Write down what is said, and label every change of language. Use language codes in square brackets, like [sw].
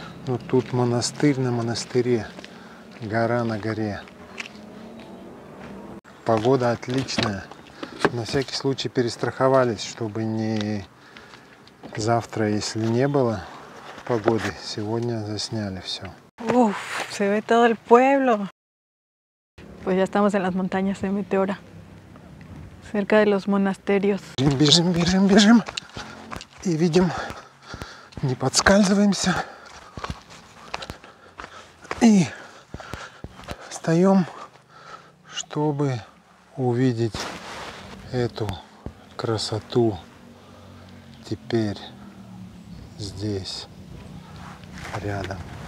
[ru] Но тут монастырь на монастыре. Гора на горе. Погода отличная. На всякий случай перестраховались, чтобы не завтра, если не было погоды, сегодня засняли все. [es] Уф, se ve todo el pueblo. Pues ya estamos en las montañas de Meteora. Cerca de los monasterios. [ru] Бежим, бежим, бежим, бежим. И видим, не подскальзываемся. И встаем, чтобы увидеть эту красоту теперь здесь, рядом.